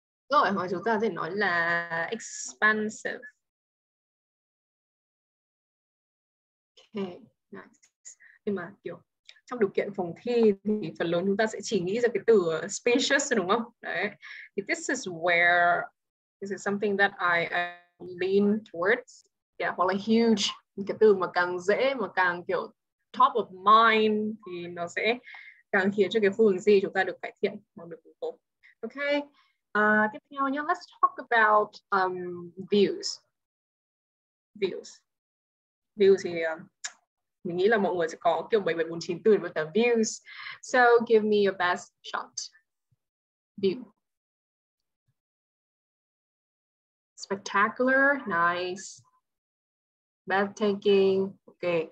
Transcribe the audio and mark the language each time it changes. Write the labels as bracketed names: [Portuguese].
[Vietnamese] Rồi, mà chúng ta có thể nói là expansive. Okay, nice. Nhưng mà kiểu trong điều kiện phòng thi thì phần lớn chúng ta sẽ chỉ nghĩ ra cái từ spacious đúng không? Đấy. [English] If this is where, this is something that I lean towards. [Vietnamese] Yeah, hoặc là huge. Cái từ mà càng dễ, mà càng kiểu top of mind thì nó sẽ càng khiến cho cái phương gì chúng ta được cải thiện, được củng cố. Okay, tiếp theo nhé, [English] let's talk about views. Views. [Vietnamese] Views thì mình nghĩ là mọi người sẽ có kiểu 7749 từ với tờ [English] views. So give me your best shot. View. Spectacular, nice. Breathtaking. Ok.